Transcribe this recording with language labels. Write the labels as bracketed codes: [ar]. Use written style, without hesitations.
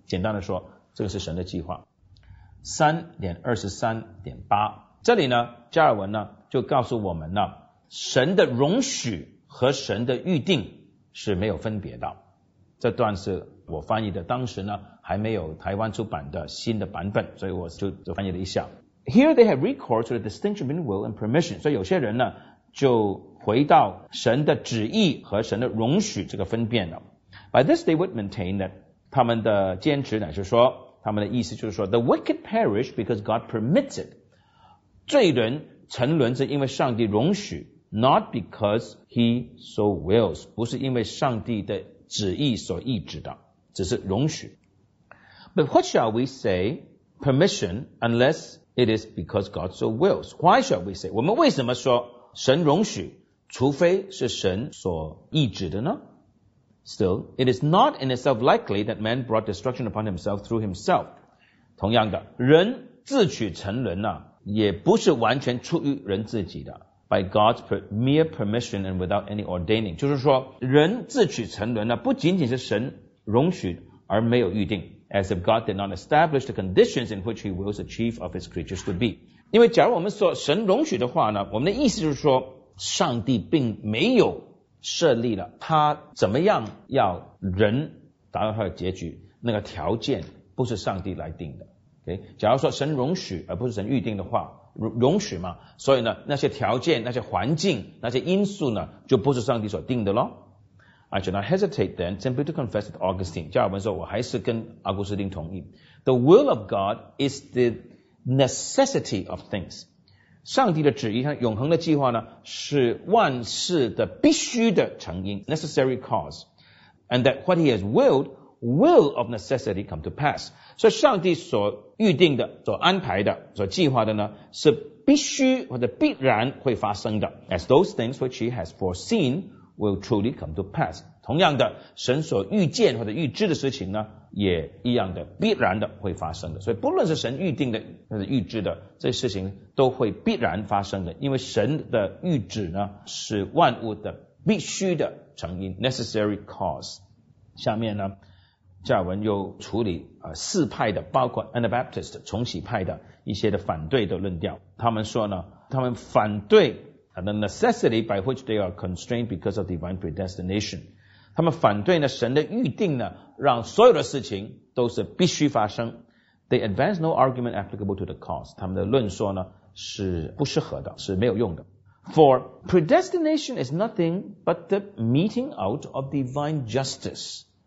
[zh] 简单的说，这个是神的计划。3.23.8 这里呢，加尔文呢就告诉我们呢，神的容许和神的预定是没有分别的。这段是我翻译的，当时呢还没有台湾出版的新的版本，所以我就翻译了一下。 [en] Here they have recourse to the distinction between will and permission. [zh] 所以有些人呢就回到神的旨意和神的容许这个分辨了。 [en] By this they would maintain that [zh] 他们的坚持乃是说，他们的意思就是说 [en] The wicked perish because God permits it， [zh] 罪人沉沦是因为上帝容许， [en] Not because he so wills， [zh] 不是因为上帝的旨意所意志的，只是容许。 [en] But what shall we say permission unless it is because God so wills？ Why shall we say？ [zh] 我们为什么说神容许，除非是神所意志的呢？ [en] Still, it is not in itself likely that man brought destruction upon himself through himself. [zh] 同样的，人自取沉沦呢，也不是完全出于人自己的。 [en] By God's mere permission and without any ordaining. [zh] 就是说，人自取沉沦呢，不仅仅是神容许而没有预定。 [en] As if God did not establish the conditions in which he wills the chief of his creatures to be. [zh] 因为假如我们说神容许的话呢，我们的意思就是说上帝并没有设立了他怎么样要人达到他的结局那个条件不是上帝来定的。Okay? 假如说神容许而不是神预定的话，容许嘛，所以呢，那些条件、那些环境、那些因素呢，就不是上帝所定的咯。 [en] I should not hesitate then simply to confess with Augustine. [zh] 加尔文说，我还是跟阿古斯丁同意。 [en] The will of God is the necessity of things. [zh] 上帝的旨意，像永恒的计划呢，是万事的必须的成因 ,necessary cause. [en] And that what he has willed, will of necessity come to pass. [zh] 所以上帝所预定的、所安排的、所计划的呢，是必须或者必然会发生的。 [en] As those things which he has foreseen,will truly come to pass. [zh] 同样的，神所预见或者预知的事情呢，也一样的，必然的会发生的。所以不论是神预定的或者预知的，这事情都会必然发生的。因为神的预旨呢，是万物的必须的成因 ,necessary cause. 下面呢，加尔文又处理四派的，包括 Anabaptist, 重洗派的一些的反对的论调。他们说呢，他们反对 [en] And the necessity by which they are constrained because of divine predestination. [zh] 他们反对呢神的预定呢让所有的事情都是必须发生。 [en] They advance no argument applicable to the cause. [zh] 他们的论说呢是不适合的，是没有用的。 [en] For predestination is nothing but the meeting out of divine justice.